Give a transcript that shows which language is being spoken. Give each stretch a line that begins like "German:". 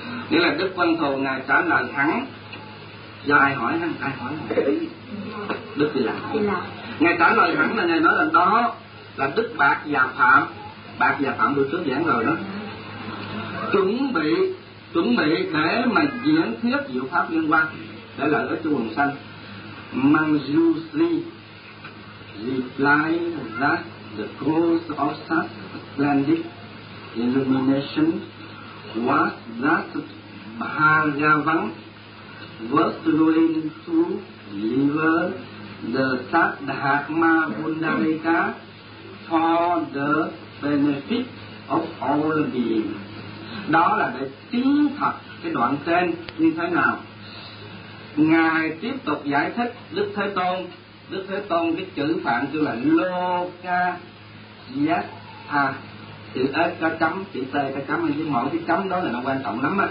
Vietnamese: Nghĩa là Đức Văn Thù ngài trả lời hắn, do ai hỏi hắn, ai hỏi hắn? Đức Di Lặc. Ngài trả lời hắn là ngài nói là đó là Đức Bạc và Phạm. Bạc và Phạm được trước giảng rồi đó, chuẩn bị để mà diễn thuyết diệu pháp liên quan để lợi ích cho quần sanh.
English: Manjusri reply that the cause of such splendid illumination was that Bhagavan was going to deliver the Sadhakma Bundarika for the benefit of all beings.
Vietnamese: Đó là để tiến thật cái đoạn trên như thế nào. Ngài tiếp tục giải thích Đức Thế Tôn. Đức Thế Tôn cái chữ Phạn kêu là Lokayattha. Chữ S có chấm, chữ T có chấm, nhưng cái mỗi cái chấm đó là nó quan trọng lắm á.